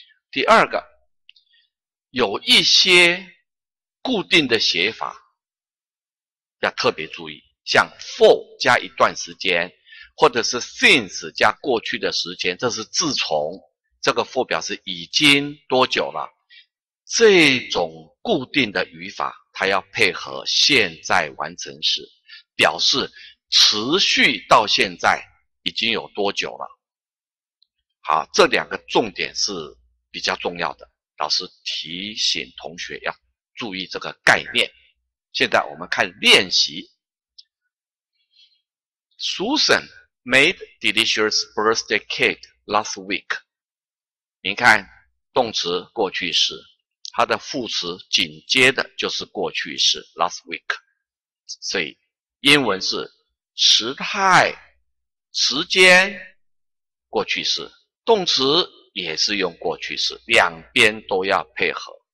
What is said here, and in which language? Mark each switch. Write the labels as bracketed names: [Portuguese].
[Chinese] 第二个，有一些固定的写法要特别注意，像 for 加一段时间，或者是 since 加过去的时间，这是自从，这个 for 表示已经多久了，这种固定的语法它要配合现在完成时，表示持续到现在已经有多久了。好，这两个重点是比较重要的，老师提醒同学要注意这个概念。现在我们看练习。 [English] Susan made delicious birthday cake last week。 [Chinese] 您看动词过去时，它的副词紧接的就是过去式 [English] last week， [Chinese] 所以英文是时态、时间、过去式，动词也是用过去式，两边都要配合。